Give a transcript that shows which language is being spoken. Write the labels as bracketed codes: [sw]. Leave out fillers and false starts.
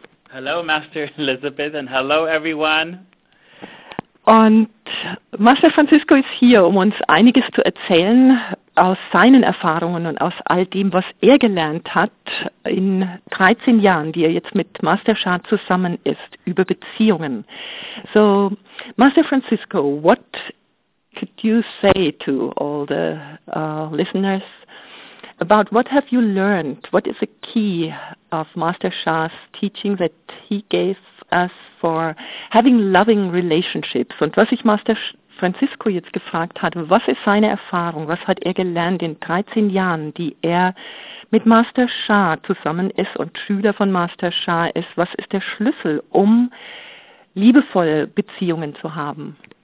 [en] Hello, Master Elizabeth, and hello, everyone. [de] Und Master Francisco ist hier, um uns einiges zu erzählen aus seinen Erfahrungen und aus all dem, was er gelernt hat in 13 Jahren, die er jetzt mit Master Shah zusammen ist, über Beziehungen. [en] So, Master Francisco, what could you say to all the listeners about what have you learned? What is the key of Master Shah's teaching that he gave us for having loving relationships? [de] Und was ich Master Francisco jetzt gefragt hatte, was ist seine Erfahrung? Was hat er gelernt in 13 Jahren, die er mit Master Shah zusammen ist und Schüler von Master Shah ist? Was ist der Schlüssel, um liebevolle Beziehungen zu haben?